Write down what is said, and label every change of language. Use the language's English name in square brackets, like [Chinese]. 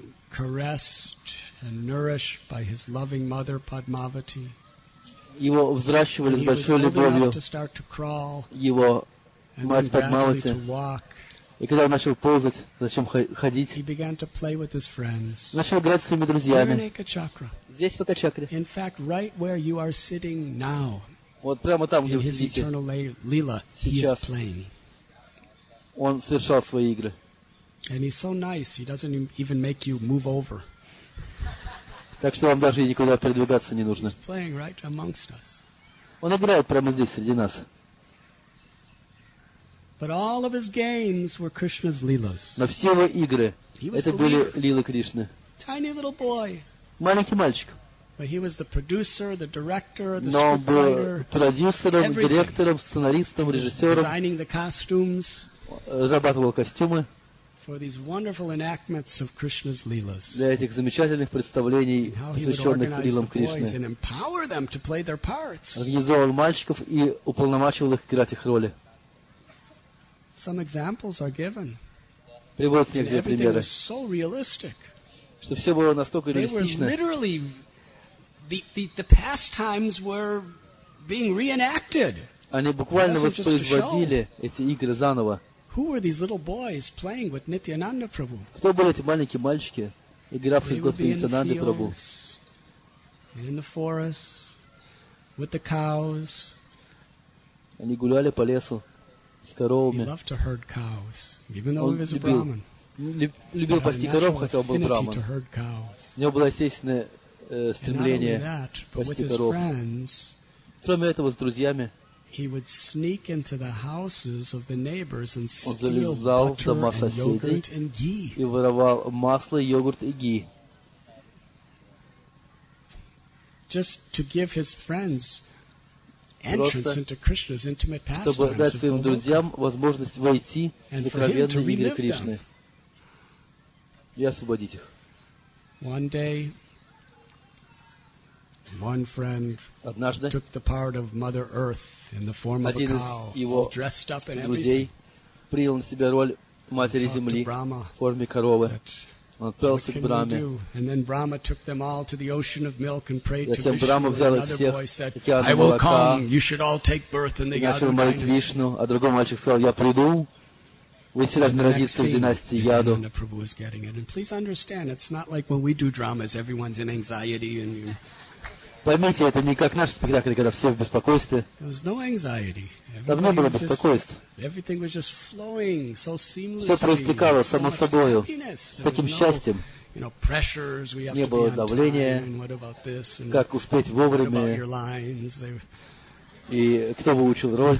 [English] caressed and nourished by his loving mother Padmavati. [Russian] Его взращивали с большой любовью. Его мать Падмавати. И когда он начал ползать, зачем ходить? [English] He began to play with his friends. [Russian] Начал играть с своими друзьями. Здесь в Экачакре. [English] In fact, right where you are sitting now. [Russian] Вот прямо там, где вы сидите. [English] In his eternal lila, he is playing. [Russian] Он совершал свои игры. [English] And he's so nice, he doesn't even make you move over. [Russian] Так что вам даже и никуда передвигаться не нужно. [English] He's playing right amongst us. [Russian] Он играет прямо здесь, среди нас. [English] But all of his games were Krishna's lilas. [Russian] Но все его игры, это были лилы Кришны. [English] Tiny little boy. [Russian] Маленький мальчик. [English] But he was the producer, the director, the [Russian] Но был продюсером, директором, сценаристом, режиссером. [English] Designing the costumes. [Russian] Разрабатывал костюмы. [English] For these wonderful enactments of Krishna's lilas. [Russian] Для этих замечательных представлений, посвященных лилам Кришны. [English] And empower them to play their parts. [Russian] Организовал мальчиков и уполномачивал их играть их роли. [English] Some examples are given. [Russian] Приводятся некоторые примеры. [English] Everything was so realistic. [Russian] Что все было настолько реалистично. [English] They were literally the pastimes were being reenacted. [Russian] Они буквально воспроизводили эти игры заново. [English] Who were these little boys playing with Nityananda Prabhu? [Russian] Кто были эти маленькие мальчики, игравшие с Господом Нитянандой Прабху? [English] And in the forest with the cows. [Russian] Они гуляли по лесу с коровами. [English] He loved to herd cows, even though he was a brahman. [Russian] Любил пасти коров, хотя он был брахман. У него было естественное стремление пасти коров. Кроме этого, с друзьями. [English] He would sneak into the houses of the neighbors and steal butter and yogurt and ghee. [Russian] И воровал масло, йогурт и ги. [English] Just to give his friends entrance into Krishna's intimate pastimes. [Russian] Чтобы дать своим друзьям возможность войти в сокровенные игры Кришны. И освободить их. [English] One day, one friend [Russian] однажды [English] took the part of Mother Earth in the form of a cow, all dressed up in everything. [Russian] Принял на себя роль матери земли в форме коровы. Он отправился к Браме. [English] And then Brahma took them all to the ocean of milk and prayed to [Russian] Vishnu. Brahma взял их всех, [English] said, I will come. You should all take birth in the Yadu dynasty. [Russian] Начал молить Вишну, а другой мальчик сказал: я приду. Вы все должны родиться в династии Яду. [English] Nityananda Prabhu is getting it. And please understand, it's not like when we do dramas, everyone's in anxiety and you. [Russian] Поймите, это не как наш спектакль, когда все в беспокойстве. Там не было беспокойств. Все проистекало само собой, с таким счастьем. Не было давления, как успеть вовремя, и кто выучил роль.